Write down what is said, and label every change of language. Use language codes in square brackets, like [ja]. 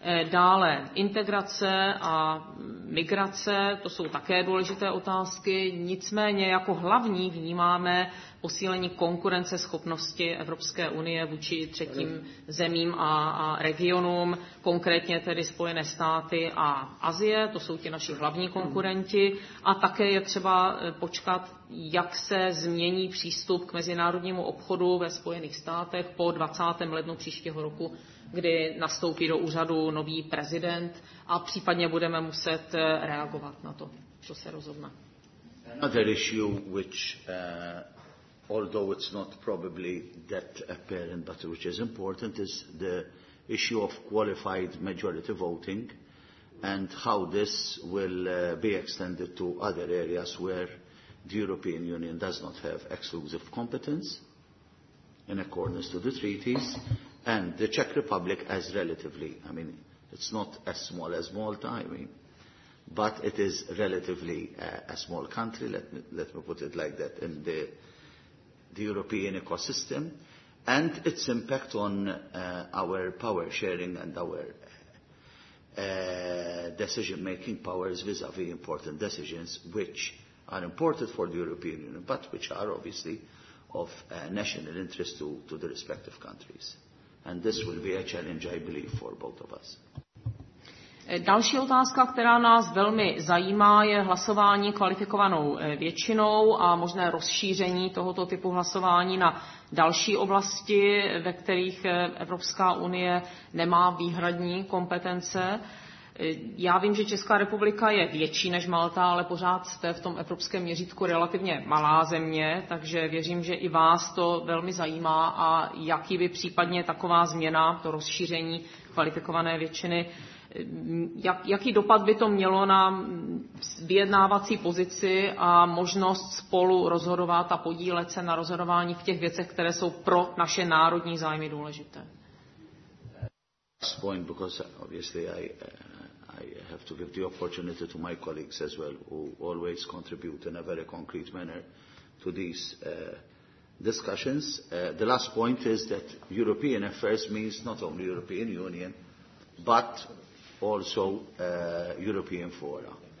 [cs] Dále integrace a migrace, to jsou také důležité otázky, nicméně jako hlavní vnímáme posílení konkurenceschopnosti Evropské unie vůči třetím zemím a regionům, konkrétně tedy Spojené státy a Asie, to jsou ti naši hlavní konkurenti, a také je třeba počkat, jak se změní přístup k mezinárodnímu obchodu ve Spojených státech po 20. lednu příštího roku, kdy nastoupí do úřadu nový prezident, a případně budeme muset reagovat na to, co se rozhodne. [en] Another issue which, although it's not probably that apparent, but which is important, is the issue of qualified majority voting and how this will be extended to other areas where the European Union does not have exclusive competence in accordance to the treaties. And the Czech Republic as relatively, I mean, it's not as small as Malta, I mean, but it is relatively a small country, let me put it like that, in the European ecosystem, and its impact on our power sharing and our decision-making powers vis-à-vis important decisions, which are important for the European Union, but which are obviously of national interest to the respective countries. And this will be a challenge, I believe, for both of us. [cs] Další otázka, která nás velmi zajímá, je hlasování kvalifikovanou většinou a možné rozšíření tohoto typu hlasování na další oblasti, ve kterých Evropská unie nemá výhradní kompetence. Já vím, že Česká republika je větší než Malta, ale pořád jste v tom evropském měřítku relativně malá země, takže věřím, že i vás to velmi zajímá a jaký by případně taková změna, to rozšíření kvalifikované většiny, jaký dopad by to mělo na vyjednávací pozici a možnost spolu rozhodovat a podílet se na rozhodování v těch věcech, které jsou pro naše národní zájmy důležité. [en] Point, because obviously I have to give the opportunity to my colleagues as well, who always contribute in a very concrete manner to these discussions. The last point is that European affairs means not only European Union, but also European fora.